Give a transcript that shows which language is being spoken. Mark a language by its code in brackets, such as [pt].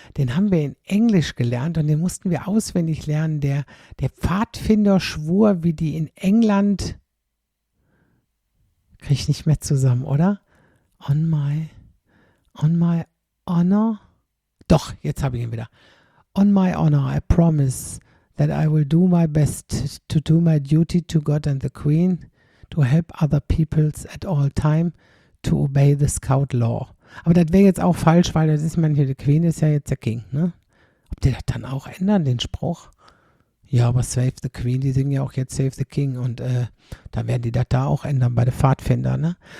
[de] Den haben wir in Englisch gelernt und den mussten wir auswendig lernen. Der Pfadfinder schwur, wie die in England. Kriege ich nicht mehr zusammen, oder? [en] On my honor, [de] doch, jetzt habe ich ihn wieder. [en] On my honor, I promise that I will do my best to do my duty to God and the Queen, to help other peoples at all time, to obey the Scout Law. [de] Aber das wäre jetzt auch falsch, weil das ist manchmal, die Queen ist ja jetzt der King, ne? Ob die das dann auch ändern, den Spruch? Ja, aber [en] Save the Queen, [de] die singen ja auch jetzt [en] Save the King [de] und da werden die das da auch ändern bei den Pfadfindern, ne?